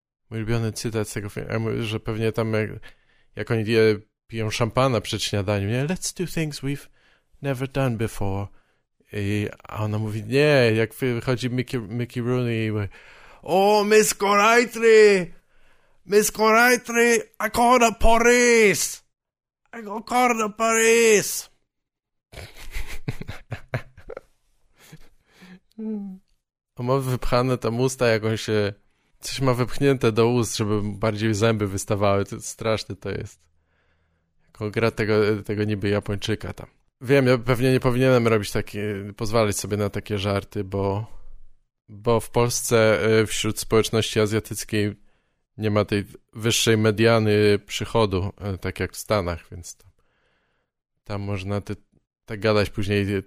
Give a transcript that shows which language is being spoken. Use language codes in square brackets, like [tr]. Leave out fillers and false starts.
[pl] Mój ulubiony cytat z tego filmu, że pewnie tam jak oni piją szampana przed śniadaniem, nie? [en] Let's do things we've never done before. [pl] A ona mówi, nie, jak wychodzi Mickey Rooney i mówi, o, Miss Coraitri! [en] Miss Coraitri! I call the police! I call the police! [pl] Ma wypchane tam usta, jakąś coś ma wypchnięte do ust, żeby bardziej zęby wystawały. To straszne to jest. Jako gra tego niby Japończyka tam. Wiem, ja pewnie nie powinienem robić takie, pozwalać sobie na takie żarty, bo w Polsce wśród społeczności azjatyckiej nie ma tej wyższej mediany przychodu, tak jak w Stanach, więc tam można tak gadać później.